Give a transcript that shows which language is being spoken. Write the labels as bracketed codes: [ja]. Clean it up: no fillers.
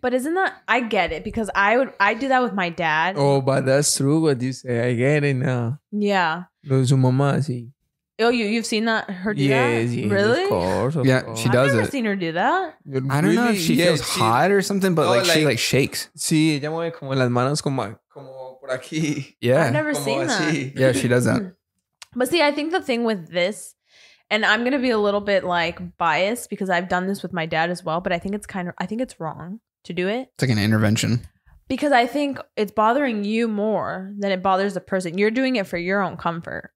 [en] But isn't that, I get it because I do that with my dad. Oh, but that's true what you say. I get it now. Yeah. [es] Los mamás. [en] Oh, you've seen that, her do that? Yes, really? Of course. She does it. I've never seen her do that. I don't know if she feels hot or something, but she like shakes. [es] Sí, ella mueve como las manos como por aquí. [en] Yeah. I've never seen that. Yeah, she does that. But see, I think the thing with this, and I'm going to be a little bit like biased because I've done this with my dad as well. But I think it's wrong to do it. It's like an intervention. Because I think it's bothering you more than it bothers the person. You're doing it for your own comfort.